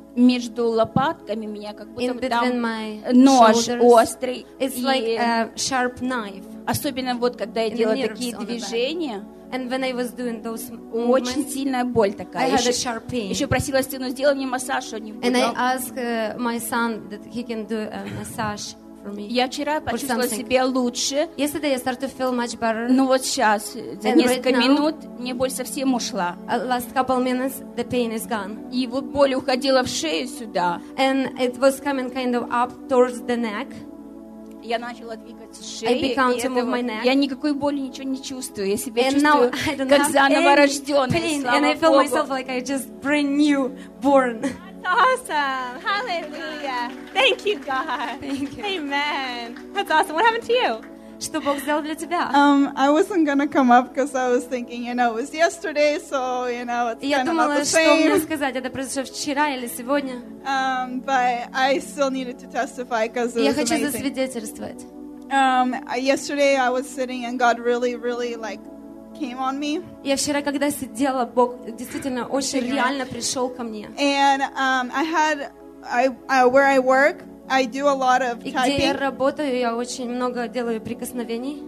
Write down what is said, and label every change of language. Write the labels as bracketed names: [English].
[Russian] между лопатками меня как будто бы там нож острый. [English] It's like a sharp knife. [Russian] Особенно вот когда я делала такие движения. [English] And when I was doing those movements, [Russian] очень сильная боль такая. [English] I had a sharp pain. [Russian] Еще просила сыну, сделай мне массаж, он не будет. [English] And I asked my son that he can do a massage. [Russian] Я вчера почувствовала себя лучше. [English] Yesterday I started to feel much better. [Russian] Ну вот сейчас, за несколько минут, мне боль совсем ушла. [English] Last couple minutes, the pain is gone. [Russian] И вот боль уходила в шею сюда. [English] And it was coming kind of up towards the neck. [Russian] Я начала двигать шею. [English] I began to move my neck. [Russian] Я никакой боли, ничего не чувствую. Я себя чувствую, как заново рожденная. [English] And I feel myself like I just brand new born. Awesome. Hallelujah. Thank you, God. Thank you. Amen. That's awesome. What happened to you? [Russian] Что Бог сделал для тебя? [English] I wasn't going to come up because I was thinking, you know, it was yesterday, so, you know, it's kind of not the same. [Russian] Я думала, что мне сказать, это произошло вчера или сегодня. [English] But I still needed to testify because it was [Russian] Я хочу засвидетельствовать. [English] Yesterday I was sitting and God really, really, like, came on me. [Russian] Я вчера, когда сидела, Бог действительно очень реально пришел ко мне. [English] And where I work, I do a lot of typing. [Russian] И где я работаю, я очень много делаю прикосновений.